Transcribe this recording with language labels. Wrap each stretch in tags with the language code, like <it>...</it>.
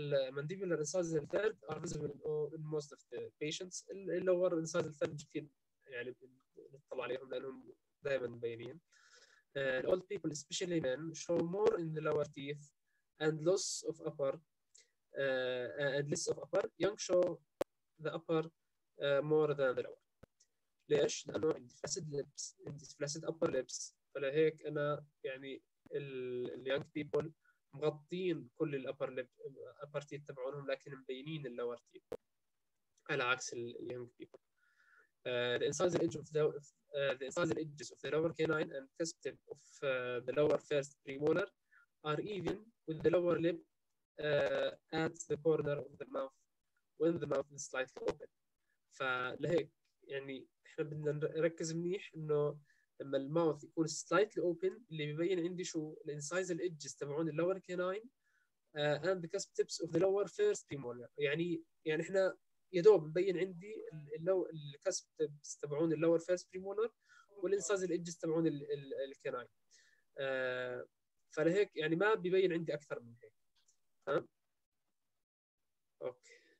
<en>Mandibular incisor third are visible in most of the patients.</en> <ar>اللور انسايزر ثيرد كثير يعني نطلع عليهم لأنهم دائما مبينين.</ar> <en>Old people especially men show more in the lower teeth and loss of upper and less of upper. Young show the upper more than the lower.</en> <ar>ليش؟ لأنه عندي flaccid lips، عندي flaccid upper lips، فلهيك أنا يعني ال young people مغطين كل ال upper teeth تبعونهم لكن مبينين ال lower teeth على عكس ال young people.</ar> <en>The incisor edges of the lower canine and cusp tip of the lower first premolar are even with the lower lip at the corner of the mouth when the mouth is slightly open.</en> <ar>فلهيك يعني احنا بدنا نركز منيح انه لما الماوث يكون</ar> <en>slightly open</en> <ar>اللي بيبين عندي شو</ar> <en>the incisor edges تبعون the lower canine and the cusp tips of the lower first premolar.</en> <ar>يعني احنا يدوب مبين عندي الكسب تبعون اللور فيرست بريمولر والانسايز الاجز تبعون الكناين. فلهيك يعني ما بيبين عندي اكثر من هيك. تمام اوكي.</ar>